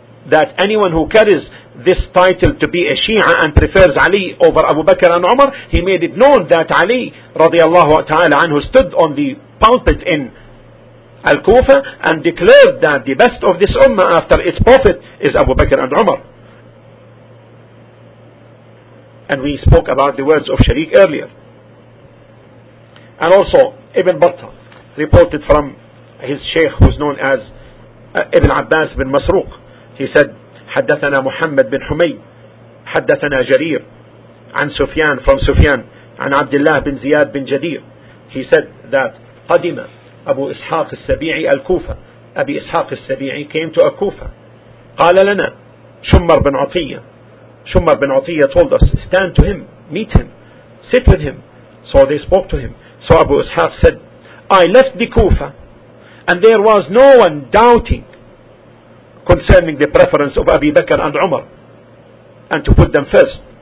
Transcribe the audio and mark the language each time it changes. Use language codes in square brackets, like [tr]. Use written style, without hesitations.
[en] That anyone who carries this title to be a Shia and prefers Ali over Abu Bakr and Umar, he made it known that Ali radiallahu ta'ala anhu stood on the pulpit in Al-Kufa and declared that the best of this Ummah after its Prophet is Abu Bakr and Umar. And we spoke about the words of Shariq earlier. And also Ibn Battah reported from his Shaykh, who is known as Ibn Abbas bin Masruq. He said, [ar] حَدَّثَنَا مُحَمَّد بِنْ حُمَيْد حَدَّثَنَا جَرِير عَنْ سُفْيَان [en] from Sufyan [ar] عَنْ عَبْدِ اللَّهِ بِنْ زِيَاد بِنْ جَدِير. [en] He said that [ar] قَدِمَ أبو إسحاق السبيعي الكوفة. [en] أبي إسحاق السبيعي came to الكوفة. [ar] قال لنا شمر بن عطية. [en] شمر بن عطية told us, stand to him, meet him, sit with him. So they spoke to him. So Abu Ishaq said, I left the Kufa and there was no one doubting concerning the preference of Abi Bakr and Umar and to put them first.